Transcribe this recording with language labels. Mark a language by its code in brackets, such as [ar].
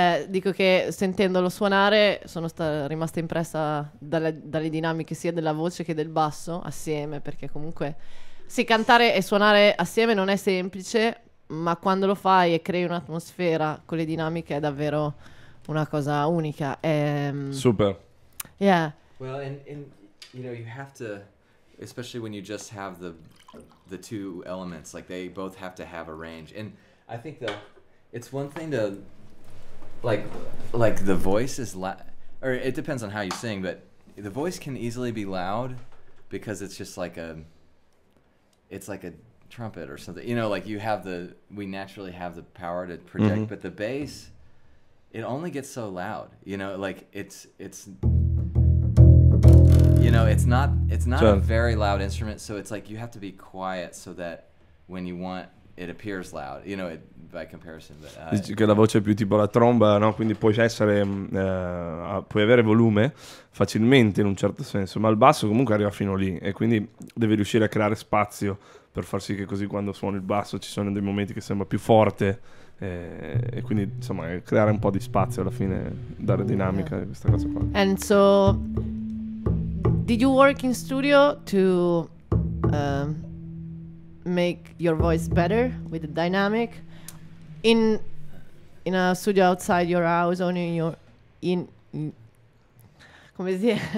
[it] Dico che sentendolo suonare sono rimasta impressa dalle dinamiche sia della voce che del basso assieme, perché comunque sì, cantare e suonare assieme non è semplice, ma quando lo fai e crei un'atmosfera con le dinamiche è davvero una cosa unica. Super. [en] Yeah. Well, and you know, you have to, especially when you just have the two elements, like they both have to have a range. And I think the it's one thing to, like the voice is loud, or it depends on how you sing, but the voice can easily be loud because it's just like a, it's like a trumpet or something. You know, like you have we naturally have the power to project, mm-hmm. but the bass, it only gets so loud, you know, like it's not sure. a very loud instrument. So it's like, you have to be quiet so that when you want, it appears loud, you know, by comparison. But, [it] dici che la voce è più tipo la tromba, no? Quindi puoi essere, puoi avere volume facilmente in un certo senso, ma il basso comunque arriva fino lì e quindi devi riuscire a creare spazio per far sì che così quando suoni il basso ci sono dei momenti che sembra più forte e quindi insomma creare un po' di spazio alla fine, dare dinamica a questa cosa qua. [en] And so, did you work in studio to make your voice better with the dynamic in a studio outside your house or [it] come si dice?